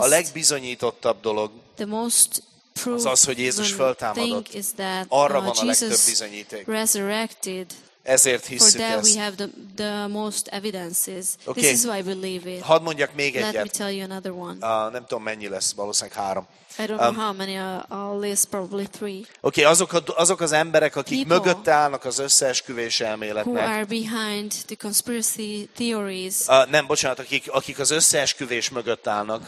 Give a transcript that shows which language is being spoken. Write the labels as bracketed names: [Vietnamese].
[Hungarian] a legbizonyítottabb dolog [English] the most [Hungarian] az az, hogy Jézus feltámadott. Arra van a legtöbb bizonyíték. [English] Resurrected. [Hungarian] Ezért hiszük [English] for that [Hungarian] ezt. [English] We have the most evidences. Okay. This is why we believe it. [Hungarian] Hadd mondjak még egyet. [English] Let me tell you another one. [Hungarian] Nem tudom, mennyi lesz, valószínűleg 3. [English] I don't know how many I'll list, probably 3. [Hungarian] Okay, azok az emberek, akik mögötte állnak az összeesküvés elméletnek. [English] Who are behind the conspiracy theories. [Hungarian] Nem, bocsánat, akik az összeesküvés mögött állnak,